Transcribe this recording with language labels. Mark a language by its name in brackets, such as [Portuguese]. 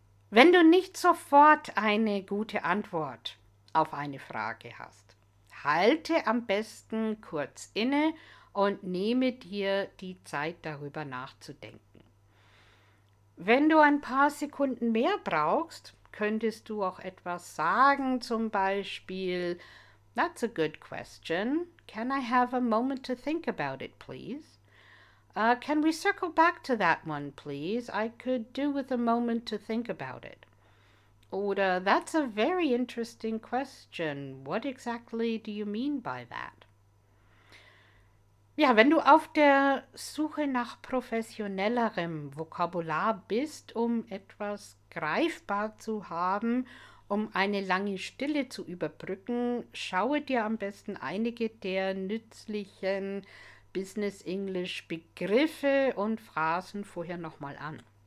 [German] Wenn du nicht sofort eine gute Antwort auf eine Frage hast, halte am besten kurz inne und nehme dir die Zeit, darüber nachzudenken. Wenn du ein paar Sekunden mehr brauchst, könntest du auch etwas sagen, zum Beispiel: [English] "That's a good question. Can I have a moment to think about it, please? Can we circle back to that one, please? I could do with a moment to think about it." [German] Oder: [English] "That's a very interesting question. What exactly do you mean by that?" [German] Ja, wenn du auf der Suche nach professionellerem Vokabular bist, um etwas greifbar zu haben, um eine lange Stille zu überbrücken, schaue dir am besten einige der nützlichen Business English Begriffe und Phrasen vorher nochmal an.